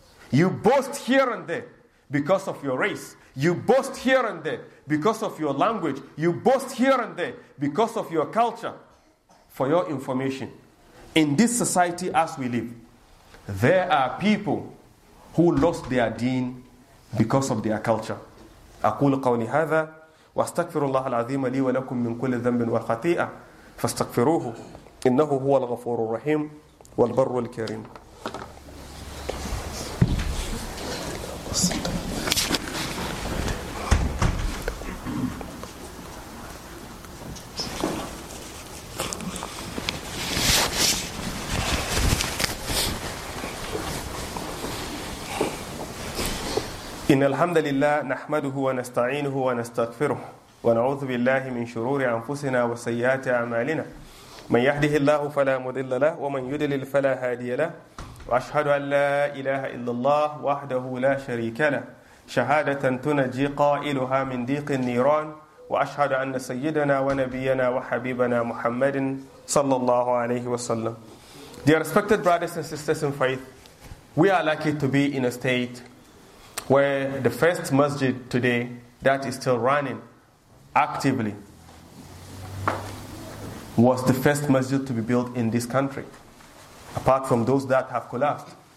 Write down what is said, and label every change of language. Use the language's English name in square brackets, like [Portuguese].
[English] You boast here and there because of your race. You boast here and there because of your language. You boast here and there because of your culture. For your information, in this society as we live, there are people who lost their deen because of their culture. [Arabic] أقول قولي هذا واستغفر الله العظيم لي ولكم من كل ذنب وخطيئة فاستغفروه إنه هو الغفور الرحيم والبر الكريم. إن الحمد لله نحمده ونستعينه ونستغفره ونعوذ بالله من شرور أنفسنا وسيئات أعمالنا من يهده الله فلا مضل له ومن يضلل فلا هادي له وأشهد أن لا إله إلا الله وحده لا شريك له شهادة تنجي قائلها من ضيق النيران وأشهد أن سيدنا ونبينا وحبيبنا محمد صلى الله عليه وسلم. [English] Dear respected brothers and sisters in faith, we are lucky to be in a state where the first masjid today that is still running actively was the first masjid to be built in this country, apart from those that have collapsed.